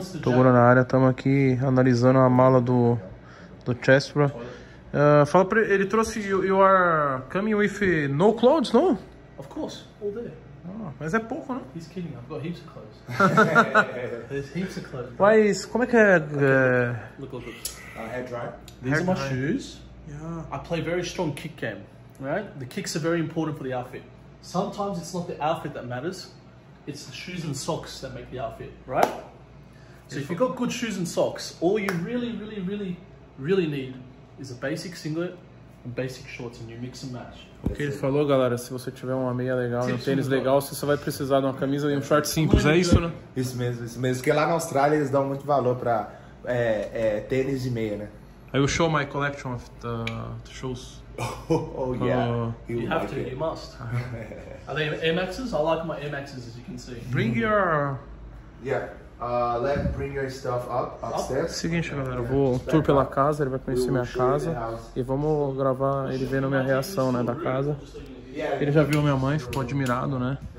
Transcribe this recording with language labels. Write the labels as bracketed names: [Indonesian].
[Portuguese] Toguro na área, estamos aqui analisando a mala do Chespra. Fala pra ele, trouxe [English] you are coming with no clothes, no? Of course, all day. [Portuguese] Oh, mas é pouco, né? [English] He's kidding, I've got heaps of clothes. There's heaps of clothes. [Portuguese] Mas como é que é? [English] Look. Hair dry. These are my shoes. Yeah. I play very strong kick game, right? The kicks are very important for the outfit. Sometimes it's not the outfit that matters. It's the shoes and socks that make the outfit, right? So if you've got good shoes and socks, all you really, really, really, really need is a basic singlet. Basic shorts and you mix and match. [Portuguese] O que ele falou, galera, se você tiver uma meia legal e um tênis legal, você só vai precisar de uma camisa e um short simples, é isso, né? Isso mesmo, porque lá na Austrália eles dão muito valor pra tênis e meia, né? [English] I will show my collection of the shoes. Oh yeah, you have to, you must. Are they Air Maxes? I like my Air Maxes, as you can see. Bring your... Yeah. Bring your stuff upstairs. [Portuguese] Seguinte, galera, eu vou tour pela casa, ele vai conhecer minha casa e vamos gravar ele vendo minha reação, né, da casa. Ele já viu minha mãe, ficou admirado, né?